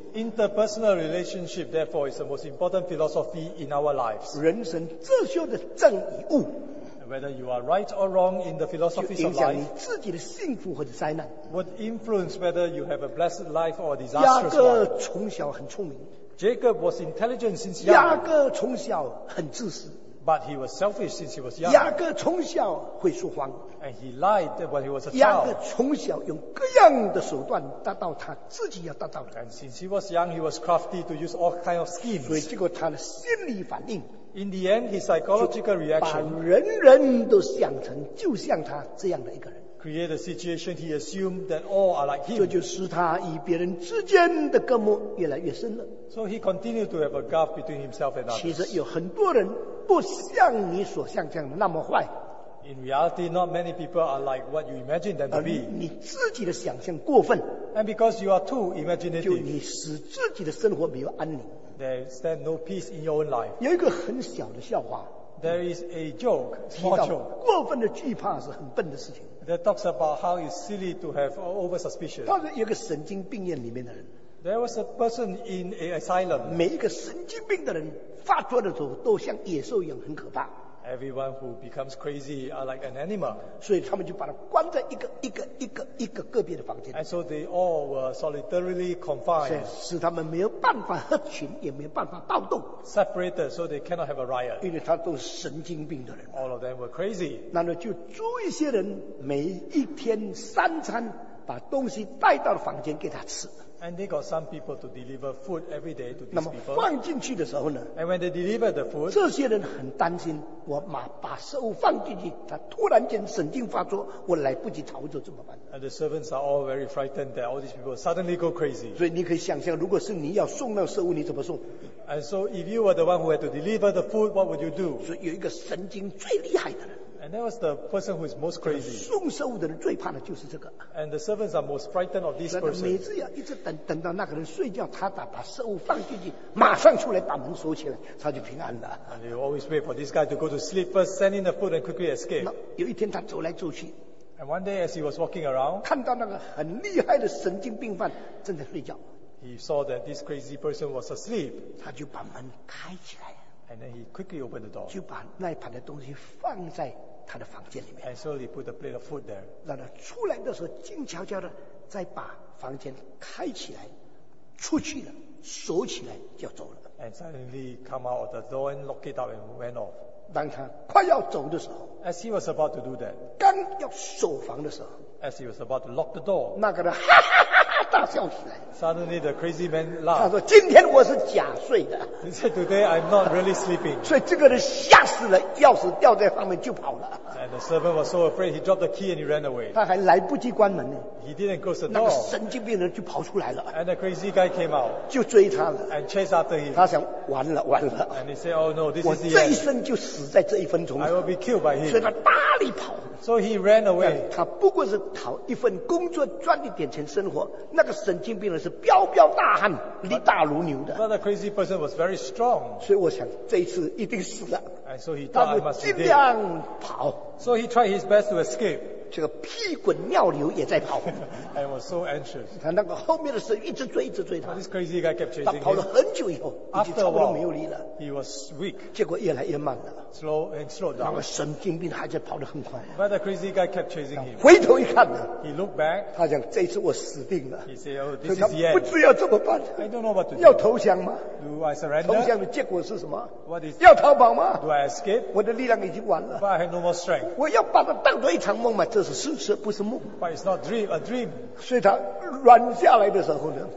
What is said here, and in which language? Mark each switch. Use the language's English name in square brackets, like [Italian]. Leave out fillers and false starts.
[English] Interpersonal relationship, therefore, is the most important philosophy in our lives. [Chinese] 人生哲学的正与误。 [English] Whether you are right or wrong in the philosophy of life, [Chinese] 就影响你自己的幸福或者灾难。 [English] Would influence whether you have a blessed life or a disastrous life. [Chinese] 雅各从小很聪明。 [English] Jacob was intelligent since young. [Chinese] 雅各从小很自私。 [English] But he was selfish since he was young. [Chinese] 雅各从小会说谎。 [English] And he lied when he was a child. [Chinese] 雅各从小用各样的手段达到他自己要达到的。 [English] And since he was young, he was crafty to use all kinds of schemes. [Chinese] 所以结果他的心理反应。 [English] In the end, his psychological reaction. [Chinese] 把人人都想成就像他这样的一个人。 [English] Create a situation he assumed that all are like him. [Chinese] 这就使他与别人之间的隔膜越来越深了。 [English] So he continued to have a gulf between himself and others. [Chinese] 其实有很多人不像你所想象的那么坏。 [English] In reality, not many people are like what you imagine them to be. [Chinese] 你自己的想象过分。 [English] And because you are too imaginative. [Chinese] 就你使自己的生活没有安宁。 [English] There is then no peace in your own life. [Chinese] 有一个很小的笑话。 [English] There is a joke, small joke. [Chinese] 过分的惧怕是很笨的事情。 [English] That talks about how it's silly to have over suspicion. [Chinese] 他是一个神经病院里面的人。 [English] There was a person in an asylum. [Chinese] 每一个神经病的人发作的时候都像野兽一样很可怕。 [English] Everyone who becomes crazy are like an animal. [Chinese] 所以他们就把他关在一个个别的房间。 [English] And so they all were solitarily confined. [Chinese] 使他们没有办法合群，也没有办法暴动。 [English] Separated, so they cannot have a riot. [Chinese] 因为他都是神经病的人。 [English] All of them were crazy. [Chinese] 那么就租一些人，每一天三餐把东西带到房间给他吃。 [English] And they got some people to deliver food every day to these people. [Chinese] 那么放进去的时候呢？ [English] And when they deliver the food, [Chinese] 这些人很担心，我马把食物放进去，他突然间神经发作，我来不及逃走怎么办？ [English] And the servants are all very frightened that all these people suddenly go crazy. [Chinese] 所以你可以想象，如果是你要送那食物，你怎么送？ [English] And so if you were the one who had to deliver the food, what would you do? [Chinese] 所以有一个神经最厉害的人。 [English] And that was the person who is most crazy. [Chinese] 送食物的人最怕的就是这个。 [English] And the servants are most frightened of this person. [Chinese] 每次要一直等到那个人睡觉，他打把食物放进去，马上出来把门锁起来，他就平安了。 [English] And you always wait for this guy to go to sleep first, send in the food and quickly escape. [Chinese] 那有一天他走来走去。 [English] And one day as he was walking around, [Chinese] 看到那个很厉害的神经病犯正在睡觉。 [English] He saw that this crazy person was asleep. [Chinese] 他就把门开起来。 [English] And then he quickly opened the door. [Chinese] 就把那一盘的东西放在他的房间里面。 [English] And so he put a plate of food there. [Chinese] 让他出来的时候静悄悄的再把房间开起来，出去了，锁起来就走了。 [English] And suddenly come out of the door and lock it up and went off. [Chinese] 当他快要走的时候 [English] ，As he was about to do that， [Chinese] 刚要锁房的时候 [English] ，As he was about to lock the door， [Chinese] 那个人哈哈哈哈大笑起来。 [English] Suddenly the crazy man laughed. [Chinese] 他说：“今天我是假睡的。” [English] He said, "Today I'm not really sleeping." [Chinese] 所以这个人吓死了，钥匙掉在上面就跑了。 [English] And the servant was so afraid he dropped the key and he ran away. [Chinese] 他还来不及关门呢。 [English] He didn't close the door. [Chinese] 那个神经病人就跑出来了。 [English] And the crazy guy came out. [Chinese] 就追他了。 [English] And chased after him. [Chinese] 他想完了完了。 [English] And he said, "Oh no, this is the end." [Chinese] 我这一生就死在这一分钟。 [English] I will be killed by him. [Chinese] 所以他大力跑。 [English] So he ran away. [Chinese] 他不过是讨一份工作赚一点钱生活，那个神经病人是彪彪大汉，力大如牛的。 [English] But the crazy person was very strong. [Chinese] 所以我想这一次一定死了。 [English] And so he thought he must die. [Chinese] 他尽量跑。 [English] So he tried his best to escape. [Chinese] 这个屁滚尿流也在跑。 [English] I was so anxious. [Chinese] 他那个后面的神一直追，一直追他。 [English] But、this crazy guy kept chasing him. [Chinese] 他跑了很久以后，已经差不多没有力了。 [English] He was weak. [Chinese] 结果越来越慢了。 [English] Slow and slow down. [Chinese] 那个神经病还在跑得很快。 [English] But the crazy guy kept chasing him. [Chinese] 回头一看呢 [English] ，He looked back. [Chinese] 他讲这次我死定了。 [English] He said, "Oh, this is the end." [Chinese] 不知要怎么办。 [English] I don't know what to do. [Chinese] 要投降吗 [English] ？Do I surrender? [Chinese] 投降的结果是什么 [English] ？What is? [Chinese] 要逃跑吗 [English] ？Do I escape? [Chinese] 我的力量已经完了。 [English] But I have no more strength. [Chinese] 我要把它当作一场梦嘛。这是事实，不是梦。 [English] But it's not dream, a dream. [Chinese] 所以他软下来的时候呢